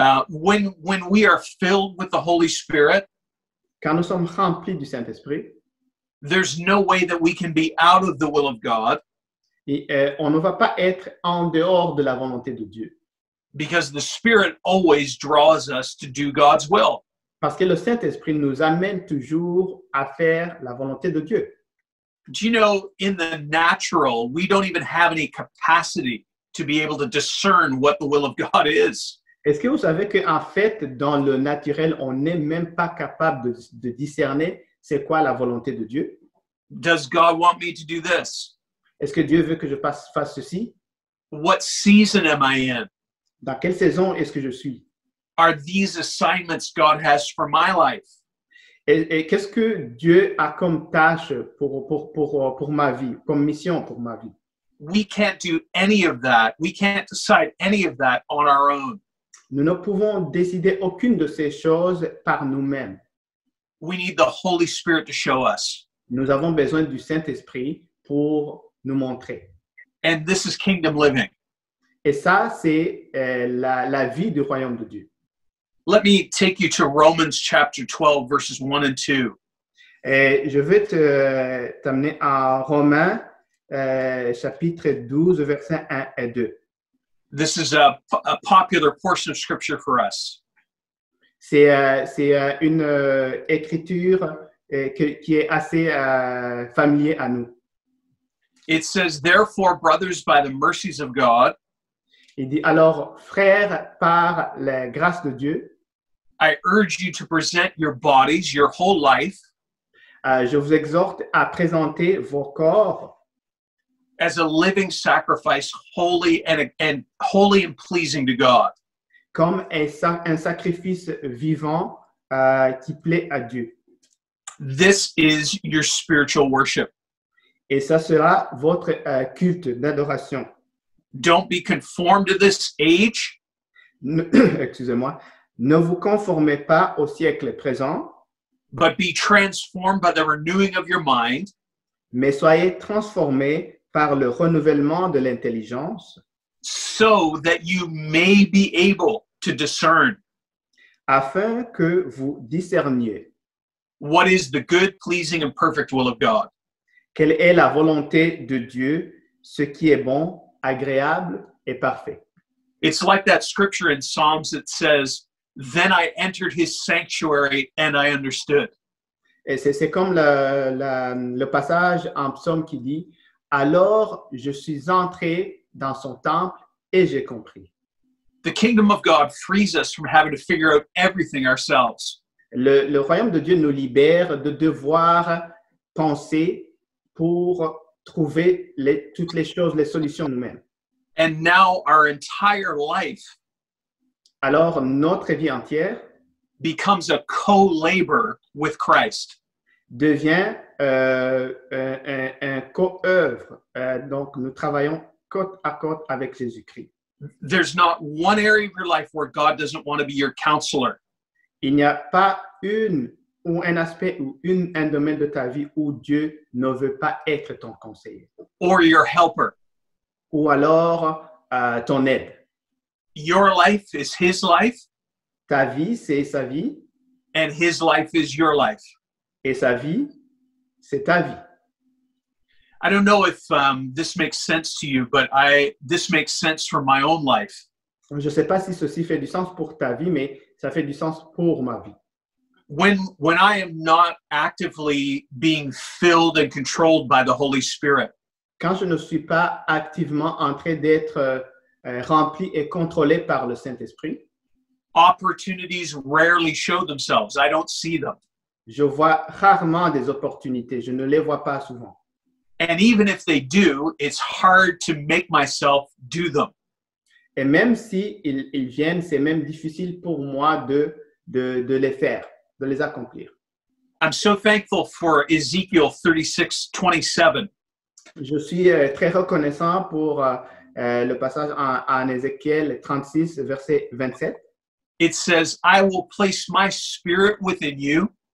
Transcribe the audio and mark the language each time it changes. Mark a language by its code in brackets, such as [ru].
[en] When we are filled with the Holy Spirit, [fr] quand nous sommes remplis du Saint-Esprit, [en] there's no way that we can be out of the will of God. [fr] On ne va pas être en dehors de la volonté de Dieu. [en] Because the Spirit always draws us to do God's will. [fr] Parce que le Saint-Esprit nous amène toujours à faire la volonté de Dieu. [en] Do you know, in the natural, we don't even have any capacity to be able to discern what the will of God is. [fr] Est-ce que vous savez qu'en fait, dans le naturel, on n'est même pas capable de discerner c'est quoi la volonté de Dieu? [en] Does God want me to do this? [fr] Est-ce que Dieu veut que je fasse ceci? [en] What season am I in? [fr] Dans quelle saison est-ce que je suis? [en] Are these assignments God has for my life? [fr] Et qu'est-ce que Dieu a comme tâche pour ma vie, comme mission pour ma vie? [en] We can't do any of that. We can't decide any of that on our own. [fr] Nous ne pouvons décider aucune de ces choses par nous-mêmes. [en] We need the Holy Spirit to show us. [fr] Nous avons besoin du Saint-Esprit pour nous montrer. [en] And this is kingdom living. [fr] Et ça, c'est la vie du royaume de Dieu. [en] Let me take you to Romans chapter 12, verses 1 and 2. [fr] Et je vais t'amener à Romains, chapitre 12, versets 1 et 2. [en] This is a popular portion of scripture for us. [fr] C'est une écriture qui est assez familier à nous. [en] It says, therefore, brothers, by the mercies of God, [fr] il dit, alors, frères, par la grâce de Dieu, [en] I urge you to present your bodies, your whole life, [fr] je vous exhorte à présenter vos corps [en] as a living sacrifice, holy and holy and pleasing to God. [fr] Comme un sacrifice vivant qui plaît à Dieu. [en] This is your spiritual worship. [fr] Et ça sera votre culte d'adoration. [en] Don't be conformed to this age. [fr] Excusez-moi. Ne vous conformez pas au siècle présent. [en] But be transformed by the renewing of your mind. [fr] Mais soyez transformés par le renouvellement de l'intelligence. [en] So that you may be able to discern. [fr] Afin que vous discerniez. [en] What is the good, pleasing and perfect will of God? [fr] Quelle est la volonté de Dieu, ce qui est bon, agréable et parfait. [en] It's like that scripture in Psalms that says, then I entered his sanctuary and I understood. [fr] Et c'est comme le passage en psaume qui dit, alors je suis entré dans son temple et j'ai compris. [en] The kingdom of God frees us from having to figure out everything ourselves. [fr] Le royaume de Dieu nous libère de devoir penser pour trouver toutes les choses, les solutions nous-mêmes. [en] And now our entire life, [fr] alors notre vie entière, [en] becomes a co-labor with Christ, [fr] devient un co-œuvre. Donc nous travaillons côte à côte avec Jésus-Christ. [en] There's not one area of your life where God doesn't want to be your counselor. [fr] Il n'y a pas une ou un aspect ou un domaine de ta vie où Dieu ne veut pas être ton conseiller. [en] Or your helper. [fr] Ou alors ton aide. [en] Your life is his life. [fr] Ta vie, c'est sa vie. [en] And his life is your life. [fr] Et sa vie, c'est ta vie. [en] I don't know if this makes sense to you, but this makes sense for my own life. [fr] Je ne sais pas si ceci fait du sens pour ta vie, mais ça fait du sens pour ma vie. [en] When I am not actively being filled and controlled by the Holy Spirit, [fr] quand je ne suis pas activement en train d'être rempli et contrôlé par le Saint-Esprit, [en] opportunities rarely show themselves. I don't see them. [fr] Je vois rarement des opportunités. Je ne les vois pas souvent. [en] And even if they do, it's hard to make myself do them. [fr] Et même si ils viennent, c'est même difficile pour moi de les faire, de les accomplir. [en] I'm so thankful for Ezekiel 36:27. [fr] Je suis très reconnaissant pour le passage en Ézéchiel 36, verset 27. [en] It says, I will place my spirit within you.